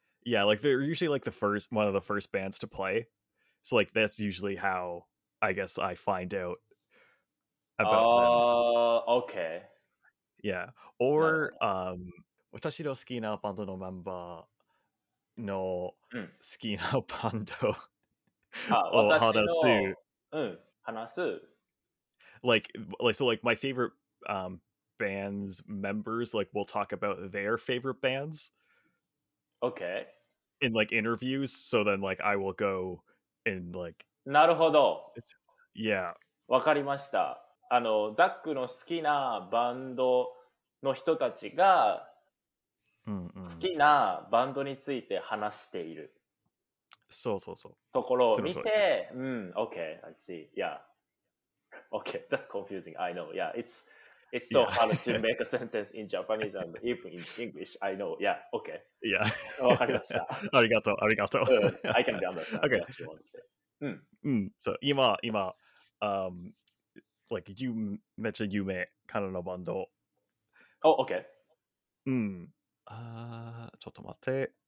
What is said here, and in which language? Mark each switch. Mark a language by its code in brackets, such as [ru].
[en] Yeah, like, they're usually like the first, one of the first bands to play. So, like, that's usually how I guess I find out about them. Okay. Yeah. [ja] Or, 私の好きなバンドのメンバーの好きなバンドを話す、うん、話す。 [en] Like, so like my favorite bands members, like we'll talk about their favorite bands. Okay. In like interviews, so then like I will go and like. [ja] なるほど。 [en] Yeah. [ja] わかりました。あの、ザックの好きなバンドの人たちが。うんうん、好きなバンドについて話している。そうそうそう。ところを見て、うん、 [en] OK, I see, yeah. OK, that's confusing, I know, yeah. It's so hard to make a sentence in Japanese and even in English, I know, yeah, OK. Yeah. [ja] わかりました。ありがとう、ありがとう。 [en] I can be understand. Okay. Yeah, [ja] うん、そう、今、like, you, めっちゃ有名、カナダのバンド。 [en] Oh, OK. [ja] うん。ちょっと待って。